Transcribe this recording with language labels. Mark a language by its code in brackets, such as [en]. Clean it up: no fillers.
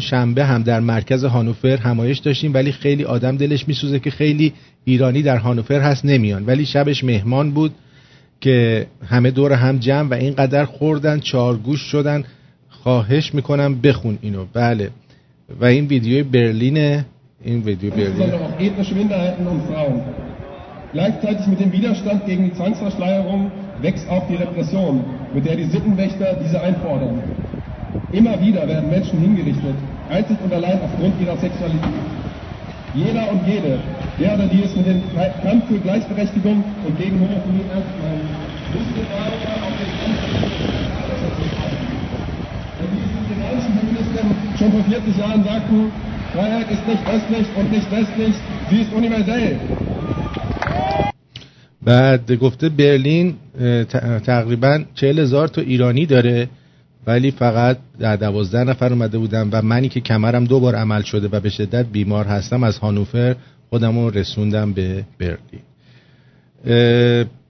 [fa] شنبه هم در مرکز هانوفر همایش داشتیم، ولی خیلی آدم دلش میسوزه که خیلی ایرانی در هانوفر هست نمیان، ولی شبش مهمان بود که همه دور هم جمع و اینقدر خوردن چارگوش شدن. خواهش میکنم بخون اینو. بله، و این ویدیو برلینه، این ویدیو برلینه. [de] ethnische Minderheiten und Frauen. Gleichzeitig mit dem Widerstand gegen die Zwangsverschleierung wächst auch die Repression, mit der die Sittenwächter diese einfordern. Immer wieder werden Menschen hingerichtet, einzig und allein aufgrund ihrer Sexualität. Jeder und jede, der oder die es mit dem Kampf für Gleichberechtigung und gegen Homophobie ernst meint, muss den Wahlkampf auf den Kampf. Schon vor 40 Jahren sagten, Freiheit ist nicht östlich und nicht westlich, sie ist universell. [fa] بعد گفته برلین تقریبا 40,000 تا ایرانی داره، ولی فقط در 12 نفر اومده بودم و منی که کمرم 2 بار عمل شده و به شدت بیمار هستم از هانوفر خودم رو رسوندم به برلین.